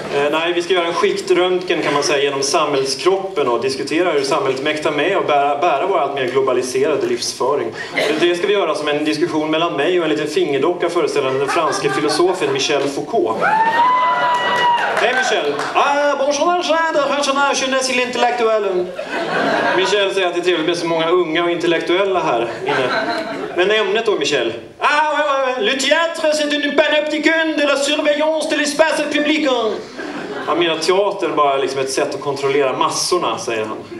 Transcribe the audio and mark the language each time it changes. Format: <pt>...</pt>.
<sv>Nej, vi ska göra en skiktröntgen, kan man säga, genom samhällskroppen och diskutera hur samhället mäktar med och bära vår allt mer globaliserade livsföring. Det ska vi göra som en diskussion mellan mig och en liten fingerdocka föreställande den franske filosofen Michel Foucault. Hej Michel!</sv> <fr>Ah, bonjour, bonjour, je ne suis l'intellectuel.</fr> <sv>Michel säger att det är trevligt med så många unga och intellektuella här inne. Men ämnet då, Michel?</sv> <fr>Ah, ouais, ouais. Le théâtre, c'est une panopticon de la surveillance de l'espace public.</fr> <sv>Han menar teater bara liksom ett sätt att kontrollera massorna, säger han.</sv>